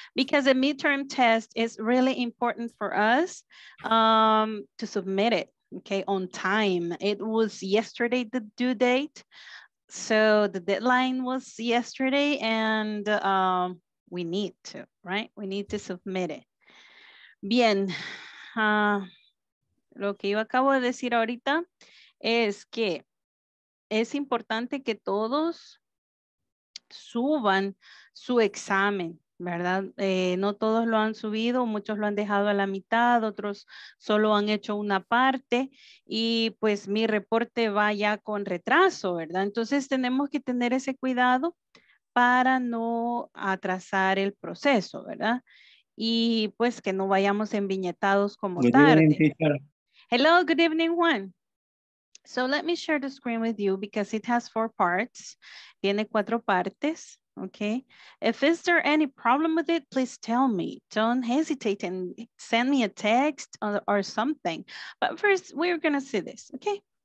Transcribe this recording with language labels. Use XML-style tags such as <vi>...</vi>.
<en>Because a midterm test is really important for us to submit it, okay, on time. It was yesterday, the due date. So the deadline was yesterday and we need to, right? We need to submit it.</en> <es>Bien. Lo que yo acabo de decir ahorita es que es importante que todos suban su examen, ¿verdad? No todos lo han subido, muchos lo han dejado a la mitad, otros solo han hecho una parte y pues mi reporte va ya con retraso, ¿verdad? Entonces tenemos que tener ese cuidado para no atrasar el proceso, ¿verdad? Y pues que no vayamos enviñetados como tarde.</es> <en>Hello, good evening, Juan. So let me share the screen with you because it has 4 parts.</en> <es>Tiene 4 partes,</es> <en>okay? If is there any problem with it, please tell me. Don't hesitate and send me a text or something. But first, we're gonna see this, okay?</en>